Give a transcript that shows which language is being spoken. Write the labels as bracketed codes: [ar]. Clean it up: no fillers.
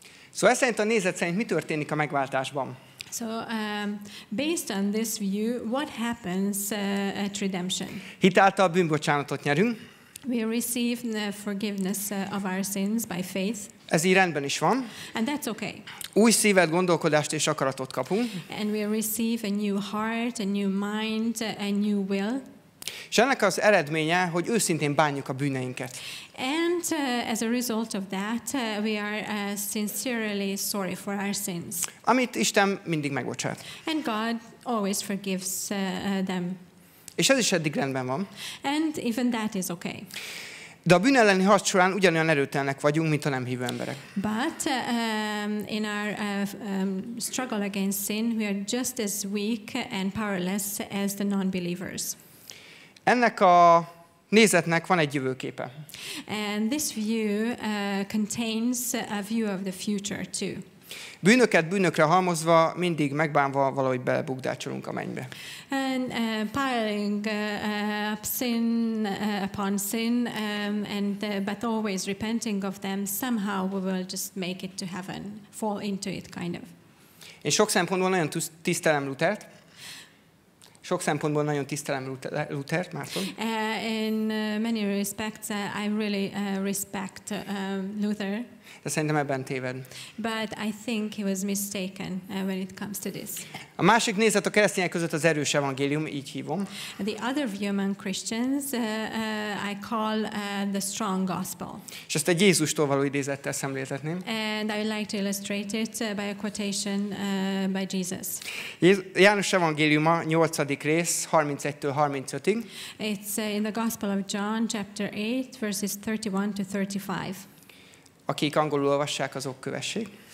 [hu] Szóval ez szerint a nézet szerint mi történik a megváltásban? [en] So based on this view, what happens at redemption? [hu] Hitáltal bűnbocsánatot nyerünk. [en] We receive the forgiveness of our sins by faith. [hu] Ez így rendben is van. [en] And that's okay. [hu] Új szívet, gondolkodást és akaratot kapunk. [en] And we receive a new heart, a new mind, a new will. [hu] És ennek az eredménye, hogy őszintén bánjuk a bűneinket. [en] And as a result of that, we are sincerely sorry for our sins. [hu] Amit Isten mindig megbocsát. [en] And God always forgives them. [hu] És ez is eddig rendben van. [en] And even that is okay. [hu] De a bűn elleni harc során ugyanolyan erőtelnek vagyunk, mint a nem hívő emberek. [en] But in our struggle against sin, we are just as weak and powerless as the non-believers. [hu] Ennek a nézetnek van egy jövőképe. [en] And this view contains a view of the future too. [hu] Bűnöket bűnökre halmozva, mindig megbánva valahogy belebukdácsolunk a mennybe. [en] And piling up sin upon sin but always repenting of them, somehow we will just make it to heaven, fall into it kind of. [hu] Én sok szempontból nagyon tisztelem Luthert. Sok szempontból nagyon tisztelem Luthert, Márton. [en] In many respects, I really respect Luther. [hu] De szerintem ebben téved. [en] But I think he was mistaken when it comes to this. [hu] A másik nézet a keresztények között az erős evangélium, így hívom. [en] The other view among Christians, I call the strong gospel. [hu] És ezt egy Jézustól való idézettel szemléltetném. [en] And I would like to illustrate it by a quotation by Jesus. [hu] János evangéliuma 8. rész, 31-35. [en] It's in the Gospel of John, chapter 8, verses 31-35. [hu] Akik angolul olvassák, azok kövessék.